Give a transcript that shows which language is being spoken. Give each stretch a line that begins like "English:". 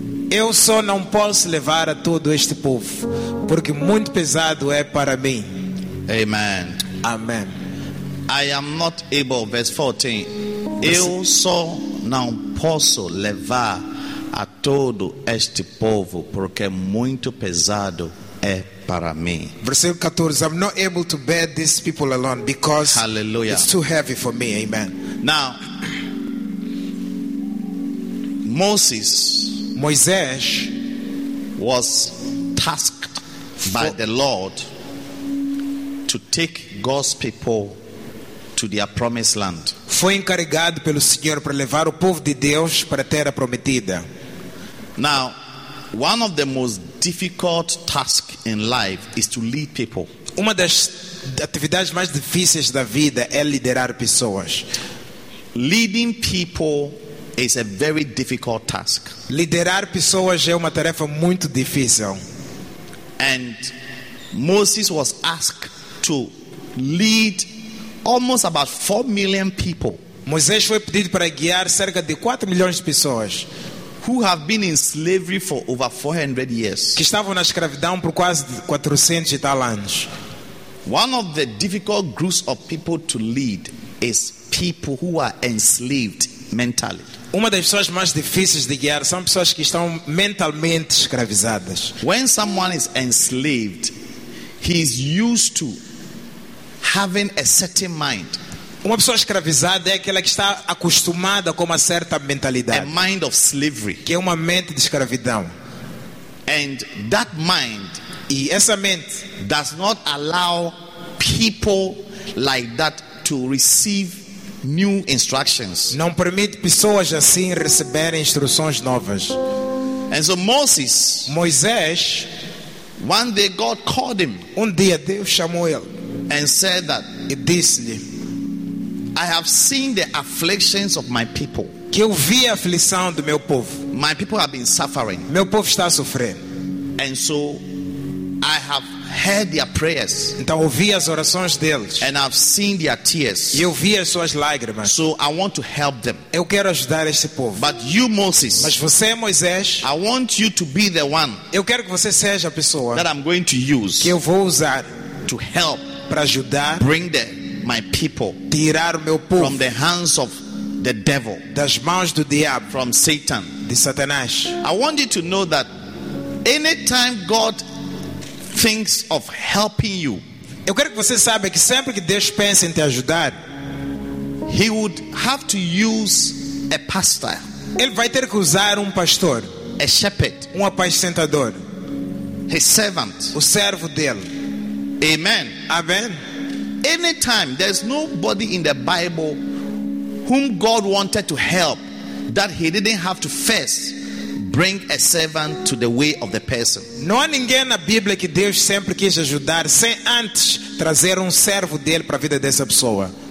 Portuguese: Eu só não posso levar a todo este povo, porque muito pesado é para mim.
English: Amen. Amen. I am not able, verse 14.
Portuguese: Eu só não posso levar a todo este povo, porque muito pesado é para mim. Versículo 14.
English: I'm not able to bear these people alone because Hallelujah. It's too heavy for me. Amen. Now, Moses,
Portuguese: Moisés,
English: was tasked by the Lord to take God's people to their promised land.
Portuguese: Foi encarregado pelo Senhor para levar o povo de Deus para a terra prometida.
English: Now, one of the most difficult task in life is to lead people.
Portuguese: Uma das atividades mais difíceis da vida é liderar pessoas.
English: Leading people is a very difficult task.
Portuguese: Liderar pessoas é uma tarefa muito difícil.
English: And Moses was asked to lead almost about 4 million people.
Portuguese: Moisés foi pedido para guiar cerca de 4 milhões de pessoas.
English: Who have been in slavery for over 400 years.
Portuguese: Que estavam na escravidão por quase 400 e tal anos.
English: One of the difficult groups of people to lead is people who are enslaved mentally.
Portuguese: Uma das pessoas mais difíceis de guiar são pessoas que estão mentalmente escravizadas.
English: When someone is enslaved, he is used to having a certain mind.
Portuguese: Uma pessoa escravizada é aquela que está acostumada com uma certa mentalidade.
English: A mind of slavery.
Portuguese: Que é uma mente de escravidão.
English: And that mind,
Portuguese: e essa mente
English: does not allow people like that to receive new instructions.
Portuguese: Não permite pessoas assim receberem instruções novas.
English: And so Moses,
Portuguese: Moisés,
English: one day God called him,
Portuguese: um dia Deus chamou ele,
English: and said that,
Portuguese: e disse-lhe,
English: I have seen the afflictions of my people.
Portuguese: Que eu vi a aflição do meu povo.
English: My people have been suffering.
Portuguese: Meu povo está sofrendo.
English: And so I have heard their prayers.
Portuguese: Então ouvi as orações deles.
English: And I've seen their tears.
Portuguese: E eu vi as suas lágrimas.
English: So I want to help them.
Portuguese: Eu quero ajudar esse povo.
English: But you, Moses,
Portuguese: mas você, Moisés,
English: I want you to be the one.
Portuguese: Eu quero que você seja a pessoa
English: that I'm going to use.
Portuguese: Que eu vou usar
English: to help,
Portuguese: para ajudar,
English: bring them, my people,
Portuguese: tirar o meu povo,
English: from the hands of the devil,
Portuguese: das mãos do diabo,
English: from Satan,
Portuguese: de Satanás.
English: I want you to know that any time God thinks of helping you,
Portuguese: eu quero que você saiba que sempre que Deus pensa em te ajudar,
English: he would have to use a pastor,
Portuguese: ele vai ter que usar um pastor,
English: a shepherd,
Portuguese: um apacentador,
English: his servant,
Portuguese: o servo dele.
English: Amen. Amen. Anytime, there's nobody in the Bible whom God wanted to help that he didn't have to first bring a servant to the way of the person.
Portuguese: Não há ninguém na Bíblia que Deus sempre quis ajudar sem antes trazer servo dele para a vida dessa pessoa.